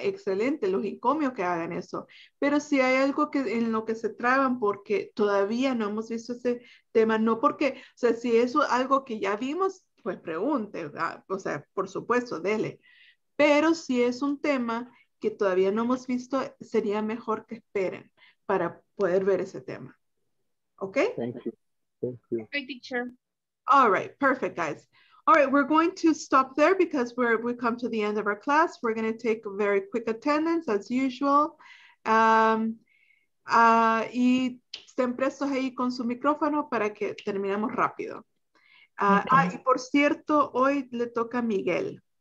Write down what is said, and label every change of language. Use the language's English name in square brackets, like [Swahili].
[Spanish] Excelente, los encomio que hagan eso. Pero si hay algo en lo que se traban porque todavía no hemos visto ese tema, si eso es algo que ya vimos, pues pregunte, ¿verdad? Por supuesto, dele. Pero si es un tema que todavía no hemos visto, sería mejor que esperen para poder ver ese tema. ¿Ok? [English] Thank you. All right, perfect, guys. All right, we're going to stop there because we come to the end of our class. We're going to take a very quick attendance as usual. [Spanish] Y estén prestos ahí con su micrófono para que terminemos rápido. Y por cierto, hoy le toca a Miguel.